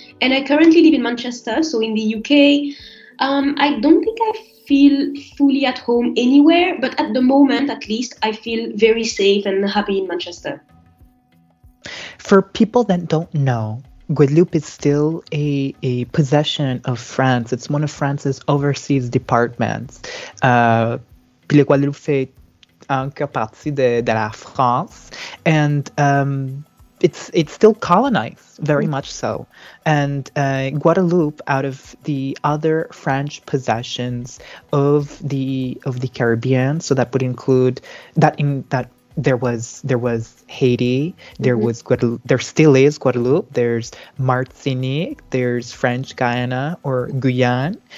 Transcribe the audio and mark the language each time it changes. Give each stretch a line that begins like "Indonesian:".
English: And I currently live in Manchester, so in the UK. I don't think I feel fully at home anywhere, but at the moment, at least, I feel very safe and happy in Manchester. For people that don't know, Guadeloupe is still a possession of France. It's one of France's overseas departments.
French: Le Guadeloupe fait encore partie de la France.
English: And it's still colonized, very much so. And Guadeloupe, out of the other French possessions of the Caribbean, so that would include there was Haiti, there still is Guadeloupe, there's Martinique, there's French Guiana or Guyane.